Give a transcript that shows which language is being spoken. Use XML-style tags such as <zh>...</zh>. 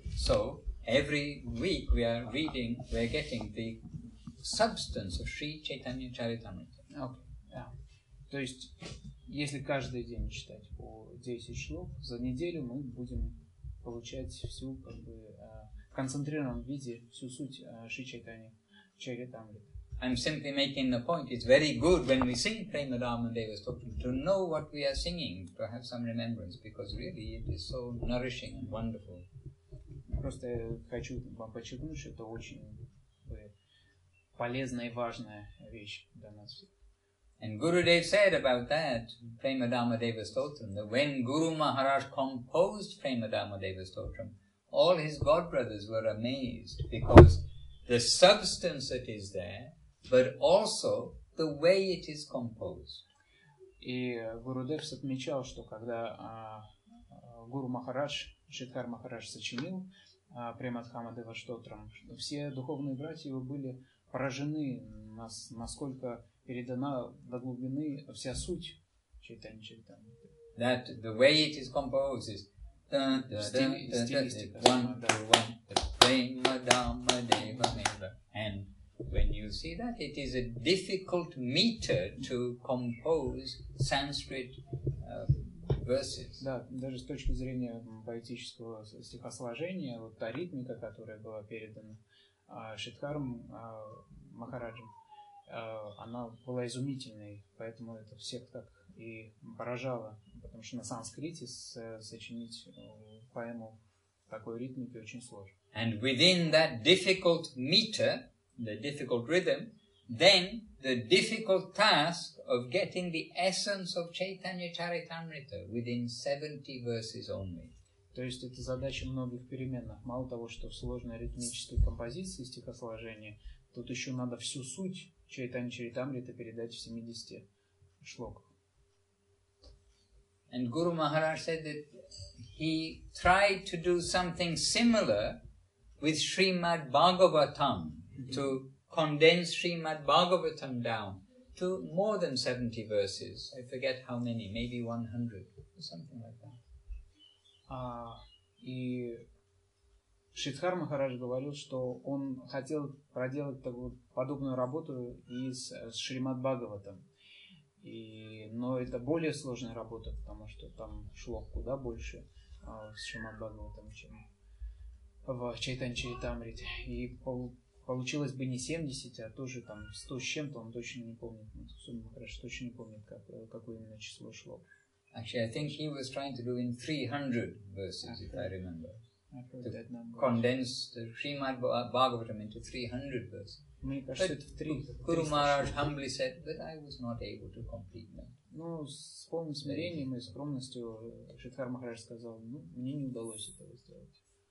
<en>So every week we are reading, we're getting the substance of Sri Chaitanya Charitamrita. Okay. Yeah.</en> <ru>То есть, если каждый день читать по 10 шлок, за неделю мы будем получать всю, как бы, в концентрированном виде всю суть Шри Чайтанья Чаритамриты.</ru> <en>I'm simply making the point, it's very good when we sing Premadama Deva Stotram to know what we are singing, to have some remembrance, because really it is so nourishing and wonderful.</en> <ru>Просто хочу вам подчеркнуть, что это очень полезная и важная вещь для нас всех.</ru> <en>And Gurudev said about that, Premadama Deva Stotram, that when Guru Maharaj composed Premadama Deva Stotram, all his godbrothers were amazed because the substance that is there, but also the way it is composed.</en> <ru>И Гурудев отмечал, что когда Гуру Махарадж, Шридхар Махарадж сочинил Премадхама Дева Штотрам, все духовные братья его были поражены, насколько передана до глубины вся суть Чайтанья Чаритамриты.</ru> <en>That the way it is composed is...</en> <ru>Стилистика.</ru> <sa>Prema Dhamma Deva Meva.</sa> <en>And when you see that, it is a difficult meter to compose Sanskrit verses.</en> <ru>Да, даже с точки зрения поэтического стихосложения, вот та ритмика, которая была передана Шридхаром Махараджем, она была изумительной, поэтому это всех так и поражало, потому что на санскрите сочинить поэму в такой ритмике очень сложно.</ru> <en>And within that difficult meter, the difficult rhythm, then the difficult task of getting the essence of Chaitanya Charitamrita within 70 verses only.</en> <ru>То есть это задача многих переменных. Мало того, что в сложной ритмической композиции стихосложения, тут еще надо всю суть Чайтанья Чаритамриты передать в 70 шлоках.</ru> <en>And Guru Maharaj said that he tried to do something similar with Srimad Bhagavatam, to condense Srimad Bhagavatam down to more than 70 verses. I forget how many, maybe 100 or something like that.</en> <ru>И Шридхар Махарадж говорил, что он хотел проделать такую подобную работу и с Шримад Бхагаватом. Но это более сложная работа, потому что там шло куда больше с Шримад Бхагаватом, чем в Чайтанья Чаритамрите. И получилось бы не 70, а тоже там 100 с чем-то, он точно не помнит. Сумма Махарадж точно не помнит, какое именно число шло.</ru> <en>Actually, I think he was trying to do in 300 verses, I've if heard, I remember. I've heard that number. Condense the Srimad Bhagavatam into 300 verses. Guru Maharaj humbly said, but I was not able to complete that.</en> <ru>Ну, с полным смирением и скромностью Шридхар Махарадж сказал, ну, мне не удалось этого сделать.</ru>